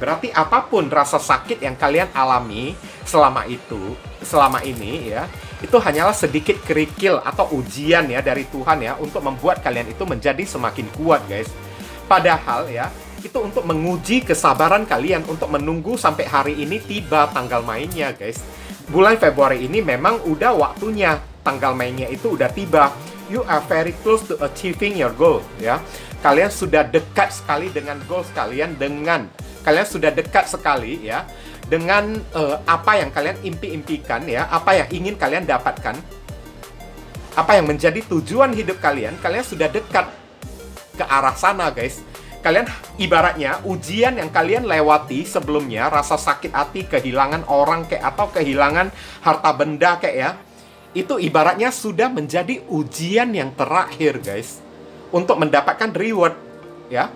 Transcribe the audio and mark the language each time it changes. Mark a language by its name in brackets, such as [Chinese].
[Indonesian] Berarti apapun rasa sakit yang kalian alami selama itu, selama ini ya, itu hanyalah sedikit kerikil atau ujian ya dari Tuhan ya untuk membuat kalian itu menjadi semakin kuat, guys. Padahal ya, itu untuk menguji kesabaran kalian untuk menunggu sampai hari ini tiba tanggal mainnya, guys. Bulan Februari ini memang udah waktunya, tanggal mainnya itu udah tiba. [English] You are very close to achieving your goal, ya. [Indonesian] Kalian sudah dekat sekali dengan goals kalian, dengan kalian sudah dekat sekali, ya, dengan apa yang kalian impi-impikan, ya, apa yang ingin kalian dapatkan, apa yang menjadi tujuan hidup kalian. Kalian sudah dekat ke arah sana, guys. Kalian ibaratnya ujian yang kalian lewati sebelumnya, rasa sakit hati, kehilangan orang kayak, atau kehilangan harta benda kayak ya, itu ibaratnya sudah menjadi ujian yang terakhir, guys, untuk mendapatkan reward ya.